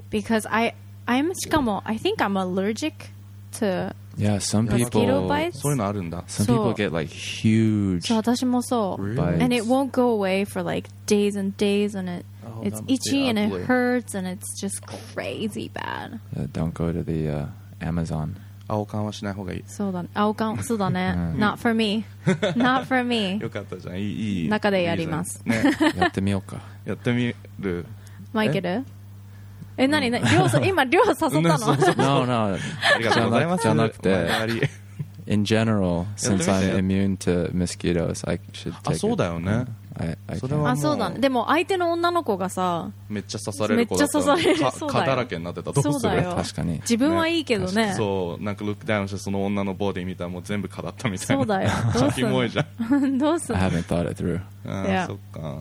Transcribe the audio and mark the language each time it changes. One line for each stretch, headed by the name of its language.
English: Because I'm,
Japanese: しかも,
English: I think I'm allergic to some mosquito people, bites.
Japanese: そういうのあるんだ。
English: Some people get like huge.
Japanese: そう、私もそう。
English: Bites. And it won't go away for like days and days on it. Oh, it's itchy and it hurts and it's just crazy bad. Yeah, don't go to the Amazon.
Japanese: 青缶はしない方がいい。そうだね。青缶、そうだね。
English: Not for me. Not for me.
Japanese: よかったじゃん。いい。中でやります。ね。やってみようか。やってみる。マイケル。え、何？涼さ、今涼誘ったの？
English: No, no.
Japanese: ありがとうございます。じゃなくて。
English: In general, since I'm immune to mosquitoes, I should take it.
Japanese: あ、そうだよね。それはもう、あ、そうだね。でも相手の女の子がさ、めっちゃ刺される子だったら、そうだよ、蚊だらけになってたらどうする？そうだよ、確かに。自分はいいけどね。ね、そう、なんか
English: look down
Japanese: してその女のボディ見たらもう全部蚊だったみたいな。そうだよ。どうする？キモいじゃん。どうする
English: ？I haven't thought it through.
Japanese: あ、yeah. そっか。